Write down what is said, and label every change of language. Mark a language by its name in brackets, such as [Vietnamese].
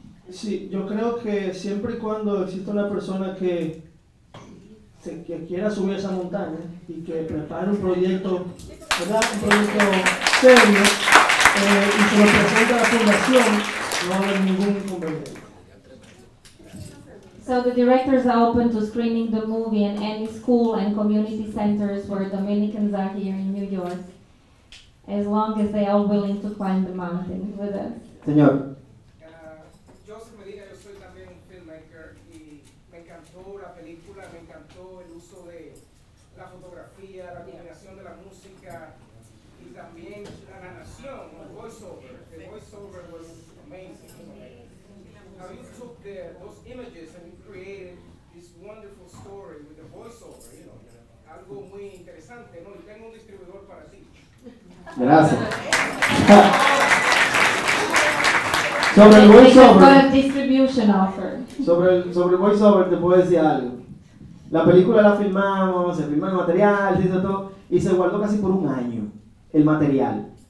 [Spanish] Sí, yo creo que siempre y cuando exista una persona que que quiera subir esa montaña y que prepare un proyecto, ¿verdad? Un proyecto serio, y se lo presente a la fundación, no va a haber ningún inconveniente. [English] So the directors are open to screening the movie in any school and community centers where Dominicans are here in New York, as long as they are willing to climb the mountain with us. [Spanish] Señor. Joseph Medina, yo soy también un filmmaker y me encantó la película, me encantó el uso de la fotografía, la combinación de la música y también la narración, el voiceover. [English] The voiceover was amazing. Now you took those images and you created this wonderful story with the voiceover, you know. [Spanish] Algo muy interesante, ¿no? Y tengo un distribuidor para ti. Gracias. Sobre el voiceover. [English] Distribution offer. [Spanish] Sobre el voiceover te puedo decir algo. La película la filmamos, se filmó el material, se hizo todo, y se guardó casi por un año el material.